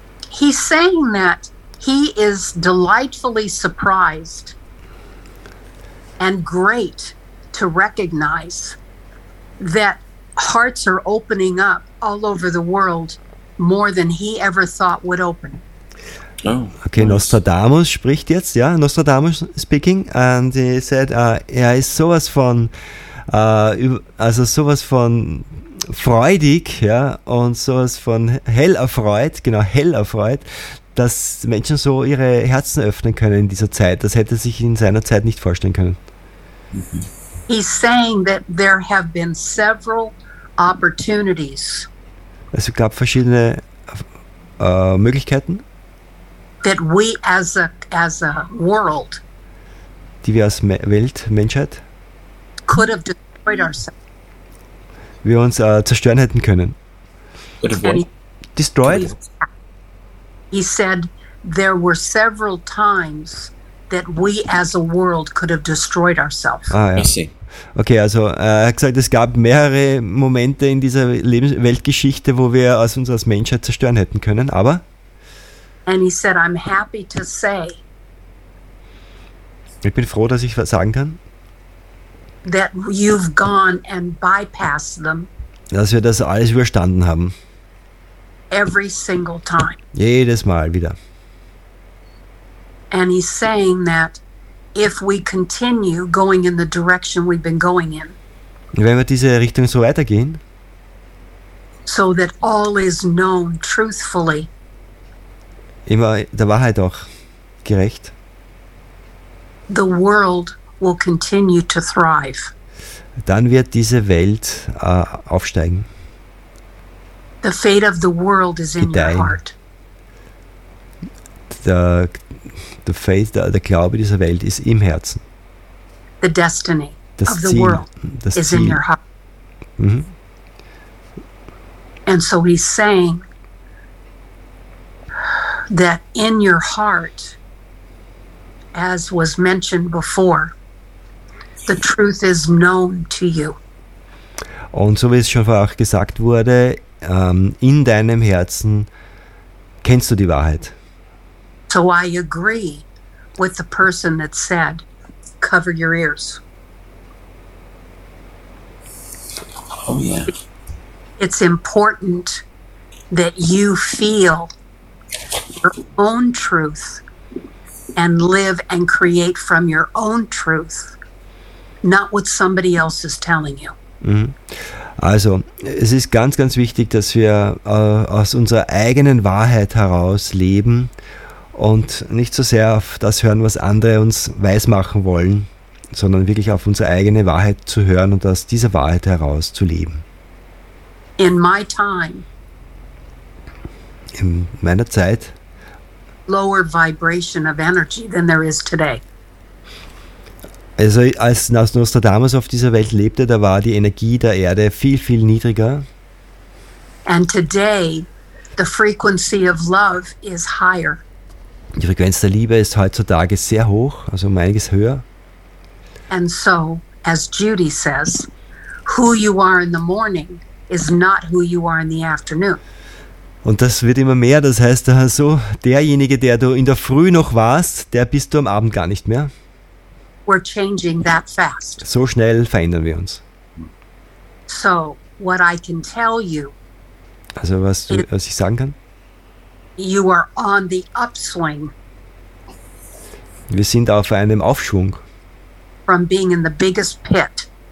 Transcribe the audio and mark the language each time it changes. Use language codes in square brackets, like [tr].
[en] He's saying that he is delightfully surprised and great to recognize that hearts are opening up all over the world more than he ever thought would open. Oh, okay, nice. [de] Nostradamus spricht jetzt, ja, [en] Nostradamus speaking, and he said, [de] er ist sowas von, also sowas von freudig, ja, und sowas von hell erfreut, genau, hell erfreut, dass Menschen so ihre Herzen öffnen können in dieser Zeit. Das hätte er sich in seiner Zeit nicht vorstellen können. [en] He's saying that there have been several opportunities. [de] Also gab verschiedene Möglichkeiten. [en] That we as a world, [de] die wir als Welt, Menschheit, [en] could have destroyed ourselves. [de] Wir uns zerstören hätten können. [en] Destroyed? He said there were several times that we as a world could have destroyed ourselves. [de] Ah, ja. Okay, also er hat gesagt, es gab mehrere Momente in dieser Weltgeschichte, wo wir uns als Menschheit zerstören hätten können, aber. [en] And he said, I'm happy to say, [de] ich bin froh, dass ich was sagen kann, [en] that you've gone and bypassed them, [de] dass wir das alles überstanden haben. [en] Every single time. [de] Jedes Mal wieder. [en] And he's saying that if we continue going in the direction we've been going in, [de] wenn wir diese Richtung so weitergehen, [en] so that all is known truthfully, [de] immer der Wahrheit auch gerecht, [en] the world will continue to thrive. [de] Dann wird diese Welt aufsteigen. [en] The fate of the world is in your heart. The faith, [de] der Glaube dieser Welt ist im Herzen. [en] The destiny [de] das [en] of [de] Ziel, [en] the world is in your heart. Mhm. And so he's saying that in your heart, as was mentioned before, the truth is known to you. [de] Und so wie es schon vorher auch gesagt wurde, in deinem Herzen kennst du die Wahrheit. [en] So I agree with the person that said, cover your ears. Oh yeah. It's important that you feel your own truth and live and create from your own truth, not what somebody else is telling you. [de] Also, es ist ganz, ganz wichtig, dass wir aus unserer eigenen Wahrheit heraus leben und nicht so sehr auf das hören, was andere uns weismachen wollen, sondern wirklich auf unsere eigene Wahrheit zu hören und aus dieser Wahrheit heraus zu leben. [en] In my time, [de] in meiner Zeit, [en] lower vibration of energy than there is today. [de] Also als Nostradamus auf dieser Welt lebte, da war die Energie der Erde viel, viel niedriger. [en] And today, the frequency of love is higher. [de] Die Frequenz der Liebe ist heutzutage sehr hoch, also um einiges höher. [en] And so, as Judy says, who you are in the morning is not who you are in the afternoon. [de] Und das wird immer mehr, das heißt also, derjenige, der du in der Früh noch warst, der bist du am Abend gar nicht mehr. [en] We're changing that fast. [de] So schnell verändern wir uns. [en] So, what I can tell you, [de] also was ich sagen kann, [en] you are on the upswing. [de] Wir sind auf einem Aufschwung. [en] From being in the biggest pit.